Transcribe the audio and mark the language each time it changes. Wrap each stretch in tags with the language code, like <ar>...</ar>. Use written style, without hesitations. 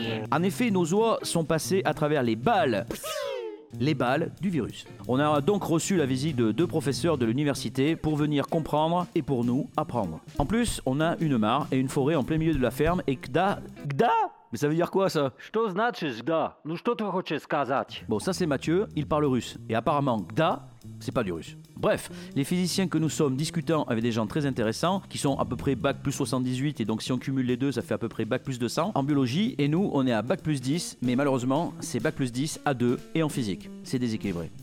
<fr>En effet, nos oies sont passées à travers les balles. Les balles du virus. On a donc reçu la visite de deux professeurs de l'université pour venir comprendre et pour nous apprendre. En plus, on a une mare et une forêt en plein milieu de la ferme et Gda ? Mais ça veut dire quoi ça ?</fr> <ru>Что значит Gda ? Ну что ты хочешь сказать ?</ru> <fr>Bon, ça c'est Mathieu, il parle russe. Et apparemment, Gda, c'est pas du russe. Bref, les physiciens que nous sommes discutant avec des gens très intéressants, qui sont à peu près bac plus 78, et donc si on cumule les deux, ça fait à peu près bac plus 200, en biologie, et nous, on est à bac plus 10, mais malheureusement, c'est bac plus 10 à 2, et en physique. C'est déséquilibré.</fr>